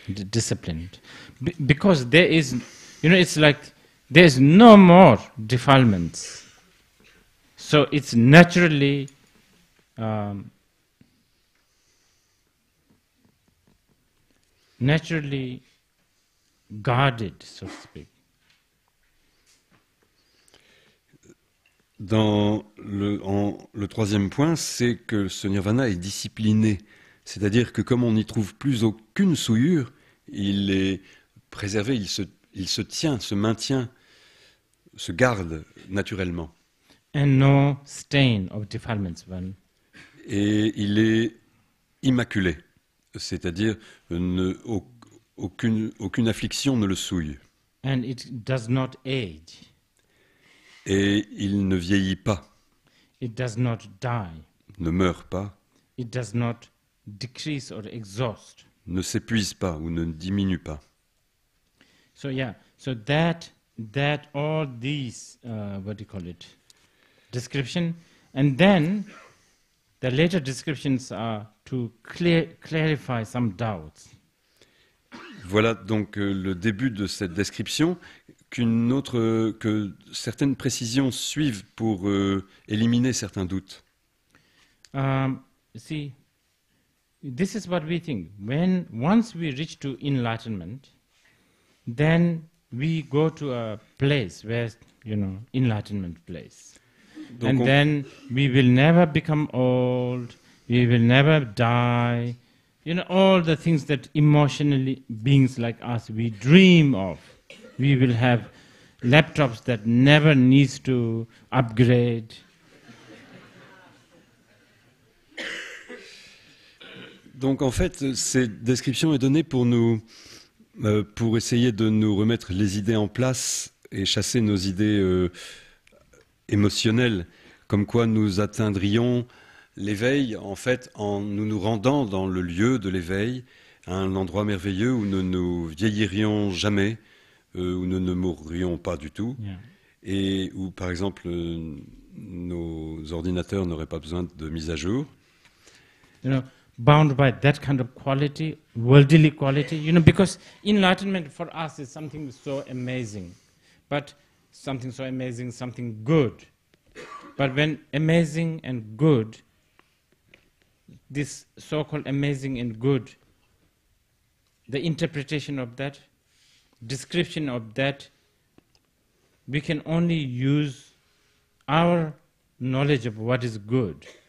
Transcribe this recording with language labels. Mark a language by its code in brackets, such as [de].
[en] Disciplined, because there is, you know, it's like there is no more defilements. So it's naturally, naturally guarded, so to speak. [fr] Dans le troisième point, c'est que ce nirvana est discipliné, c'est-à-dire que comme on n'y trouve plus aucune souillure. Il est préservé, il se tient, se maintient, se garde naturellement. [en] And no stain of defilements, well. [fr] Et il est immaculé, c'est-à-dire aucune affliction ne le souille. [en] And it does not age. [fr] Et il ne vieillit pas. [en] It does not die. [fr] Ne meurt pas. [en] It does not decrease or exhaust. [fr] Ne s'épuise pas ou ne diminue pas. [en] So yeah, so that all these what do you call it description, and then the later descriptions are to clarify some doubts. [fr] Voilà donc le début de cette description, que certaines précisions suivent pour éliminer certains doutes. [en] See. This is what we think. Once we reach to enlightenment, then we go to a place where, you know, enlightenment place. Donc and then we will never become old, we will never die. You know, all the things that emotionally beings like us, we dream of. We will have laptops that never needs to upgrade. [fr] Donc en fait, cette description est donnée pour essayer de nous remettre les idées en place et chasser nos idées émotionnelles, comme quoi nous atteindrions l'éveil en fait en nous rendant dans le lieu de l'éveil, un endroit merveilleux où nous ne vieillirions jamais, où nous ne mourrions pas du tout, yeah. Et où par exemple nos ordinateurs n'auraient pas besoin de mise à jour. [en] You know. Bound by that kind of quality, worldly quality, you know, because enlightenment for us is something so amazing, but something so amazing, something good. But when amazing and good, this so-called amazing and good, the interpretation of that, description of that, we can only use our knowledge of what is good.